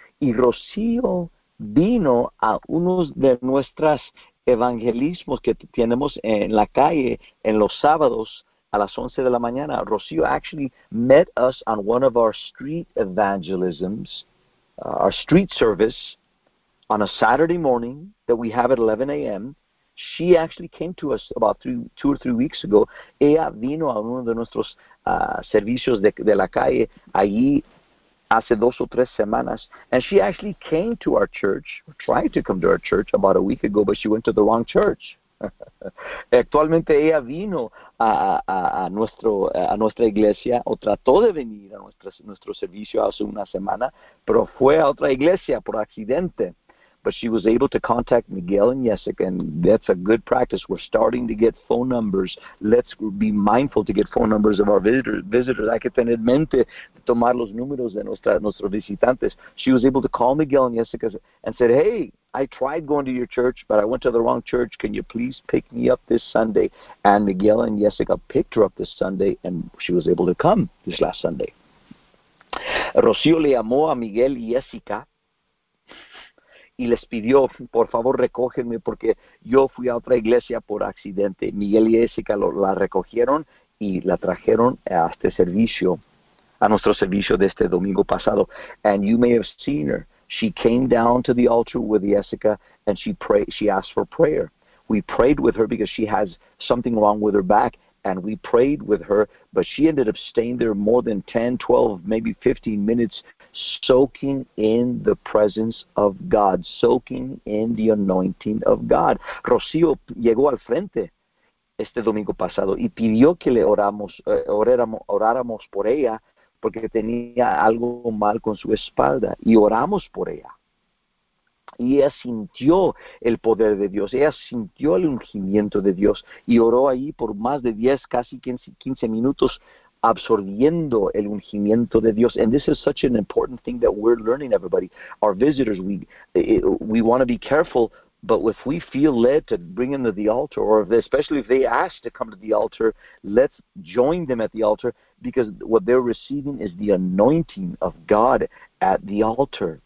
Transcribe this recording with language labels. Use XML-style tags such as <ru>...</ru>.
<es>Y Rocío vino a uno de nuestros evangelismos que tenemos en la calle en los sábados a las 11 de la mañana.</es> <en>Rocío actually met us on one of our street evangelisms, our street service, on a Saturday morning that we have at 11 a.m., she actually came to us about two or three weeks ago.</en> <es>Ella vino a uno de nuestros servicios de la calle allí hace dos o tres semanas.</es> <en>And she actually came to our church, tried to come to our church about a week ago, but she went to the wrong church.</en> <es>Actualmente ella vino a nuestra iglesia, o trató de venir a nuestro servicio hace una semana, pero fue a otra iglesia por accidente.</es> <en>But she was able to contact Miguel and Jessica, and that's a good practice. We're starting to get phone numbers. Let's be mindful to get phone numbers of our visitors.</en> <es>Hay que tener mente de tomar los números de nuestros visitantes.</es> <en>She was able to call Miguel and Jessica and said, hey, I tried going to your church, but I went to the wrong church. Can you please pick me up this Sunday? And Miguel and Jessica picked her up this Sunday, and she was able to come this last Sunday.</en> <es>Rocío le llamó a Miguel y Jessica, y les pidió, por favor, recógenme porque yo fui a otra iglesia por accidente. Miguel y Jessica la recogieron y la trajeron a este servicio, a nuestro servicio de este domingo pasado.</es> <en>And you may have seen her. She came down to the altar with Jessica and she asked for prayer. We prayed with her because she has something wrong with her back. And we prayed with her, but she ended up staying there more than 10, 12, maybe 15 minutes, soaking in the presence of God, soaking in the anointing of God.</en> <es>Rocío llegó al frente este domingo pasado y pidió que le oráramos por ella porque tenía algo mal con su espalda. Y oramos por ella. Y ella sintió el poder de Dios, ella sintió el ungimiento de Dios y oró ahí por más de 10, casi 15 minutos absorbiendo el ungimiento de Dios.</es> <en>And this is such an important thing that we're learning, everybody. Our visitors, we want to be careful, but if we feel led to bring them to the altar, or especially if they ask to come to the altar, let's join them at the altar because what they're receiving is the anointing of God at the altar.</en>